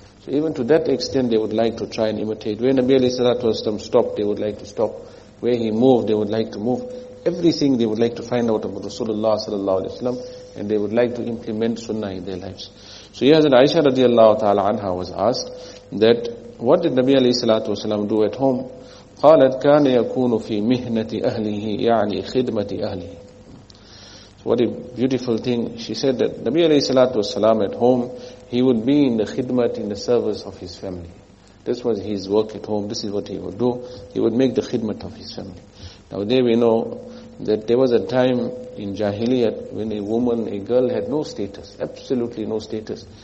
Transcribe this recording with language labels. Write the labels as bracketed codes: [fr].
[en] So even to that extent, they would like to try and imitate. Where Nabi alayhi salatu wasallam stopped, they would like to stop. Where he moved, they would like to move. Everything they would like to find out about Rasulullah sallallahu alayhi wasallam, and they would like to implement sunnah in their lives. So here Hazrat Aisha radiallahu ta'ala anha was asked that, what did Nabi alayhi salatu wasallam do at home? [ar] قالت كان يكون في مهنة أهله يعني خدمة أهله. [en] So what a beautiful thing. She said that Nabi alayhi salatu wasalam at home, he would be in the khidmat, in the service of his family. This was his work at home. This is what he would do. He would make the khidmat of his family. Now there we know that there was a time in Jahiliyat when a woman, a girl had no status, absolutely no status.